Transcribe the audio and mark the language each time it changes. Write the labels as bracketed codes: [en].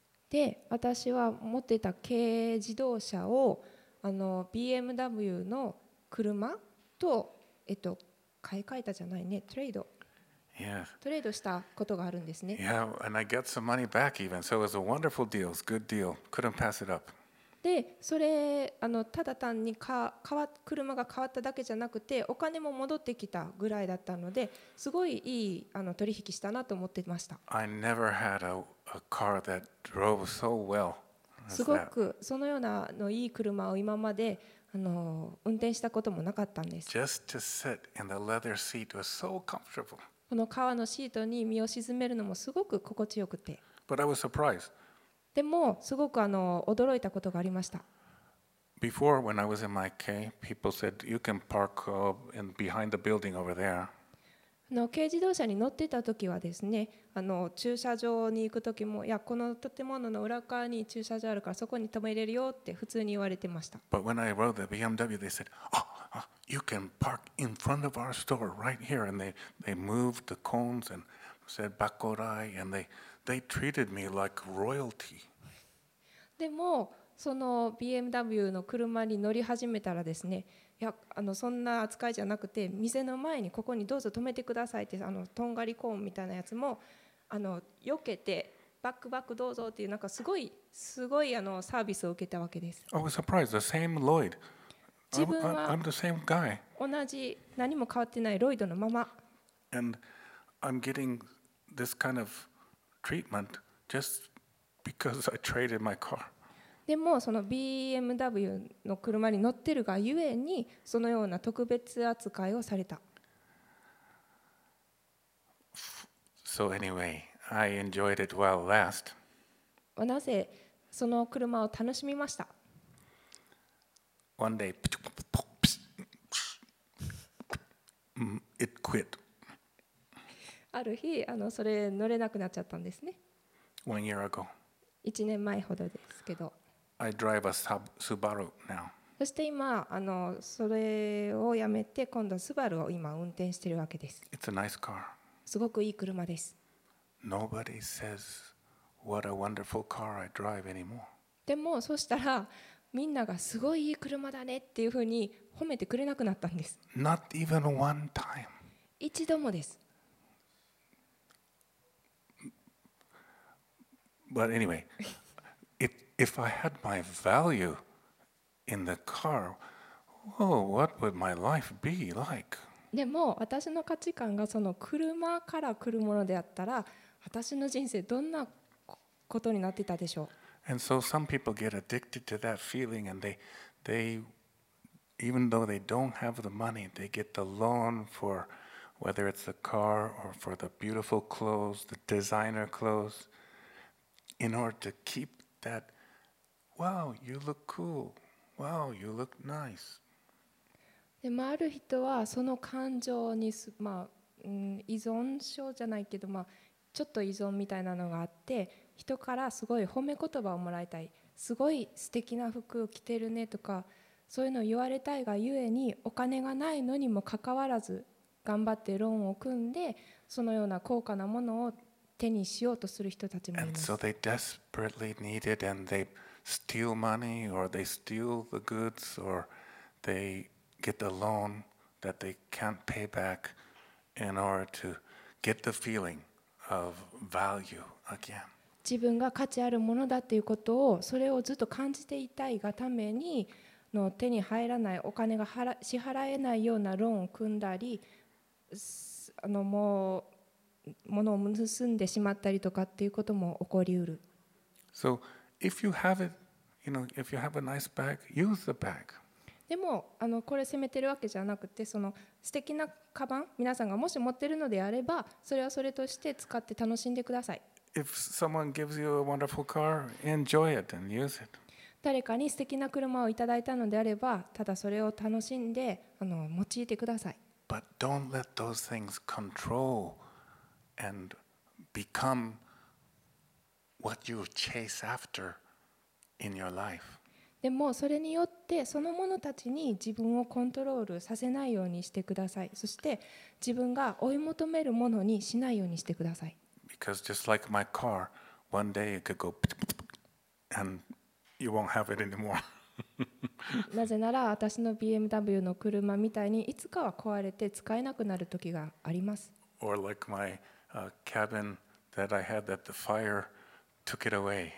[ja] で、私は持ってた軽自動車をBMW の車と買い替えたじゃないね、トレード。トレードしたことがあるんですね。 [en] Yeah, and I got some money back even. So it was a wonderful deal, good deal. Couldn't pass it up. [ja] で、それただ単に車が変わっただけじゃなくて、お金も戻ってきたぐらいだったので、すごいいい取引したなと思ってました。 [en] I never had a car that drove so well. [ja] すごくそのようないい車を今まで運転したこともなかったんです。 [en] Just to sit in the leather seat was so comfortable. [ja] この革のシートに身を沈めるのもすごく心地よくて。 [en] But I was surprised. [ja] でもすごく驚いたことがありました。 [en] Before, when I was in my K, people said you can park behind the building over there. [ja] 軽自動車に乗ってた時はですね、駐車場に行く時も、いや、この建物の裏側に駐車場あるからそこに停めれるよって普通に言われてました。 [en] But when I rode the BMW, they said, You can park in front of our store right here, and they moved the cones and said bakorai, and they treated me like royalty. [ja] でもその BMW の車に乗り始めたらですね、いや、そんな扱いじゃなくて、店の前にここにどうぞ止めてくださいって、とんがりコーンみたいなやつも避けてバックバックどうぞっていう、なんかすごいすごいサービスを受けたわけです。 [en] I was surprised. The same Lloyd. [ja] 自分は同じ何も変わってないロイドのまま。 [en] And I'm getting this kind of treatment just because I traded my car. [ja] でもその BMW の車に乗ってるがゆえにそのような特別扱いをされた。 [en] So anyway, I enjoyed it while last. [ja] なぜその車を楽しみました。 [en] One day, ピチュッポッピッ、it quit. [ja] ある日、それ乗れなくなっちゃったんですね。 [en] One year ago. [ja] 1年前ほどですけど。 [en] I drive a Subaru now. [ja] そして今、それをやめて、今度はスバルを今運転してるわけです。 [en] It's a nice car. [ja] すごくいい車です。 [en] Nobody says what a wonderful car I drive anymore. [ja] でも、そしたら、みんながすごいいい車だねっていうふうに褒めてくれなくなったんです。 [en] Not even one time. [ja] 一度もです。 [en] But anyway, if I had my value in the car, what would my life be like? [ja] でも私の価値観がその車から来るものであったら、私の人生どんなことになってたでしょう。 [en] And so some people get addicted to that feeling, and they even though they don't have the money, they get the loan for whether it's the car or for the beautiful clothes, the designer clothes, in order to keep that. Wow, you look cool. Wow, you look nice. [ja] でもある人はその感情に依存症じゃないけど、ちょっと依存みたいなのがあって。人からすごい褒め言葉をもらいたい、すごい素敵な服を着てるねとか、そういうのを言われたいがゆえに、お金がないのにもかかわらず頑張ってローンを組んで、そのような高価なものを手にしようとする人たちもいます。 [en] And so they desperately need it, and they steal money, or they steal the goods, or they get a loan that they can't pay back in order to get the feeling of value again. [ja] 自分が価値あるものだということを、それをずっと感じていたいがためにの手に入らない、お金が支払えないようなローンを組んだり、もう物を盗んでしまったりとかっていうことも起こりうる。 [en] So if you have it, you know, if you have a nice bag, use the bag. [ja] でもこれ責めてるわけじゃなくて、その素敵なカバン、皆さんがもし持ってるのであれば、それはそれとして使って楽しんでください。 [en] If someone gives you a wonderful car, enjoy it and use it. [ja] 誰かに素敵な車をいただいたのであれば、ただそれを楽しんで用いてください。 [en] But don't let those things control and become what you chase after in your life. [ja] でもそれによってそのものたちに自分をコントロールさせないようにしてください。そして自分が追い求めるものにしないようにしてください。 [en] Because just like my car, one day it could go ピッピッピッ and you won't have it anymore. [ja] なぜなら私の BMW の車みたいにいつかは壊れて使えなくなる時があります。 [en] or like my cabin that I had that the fire took it away.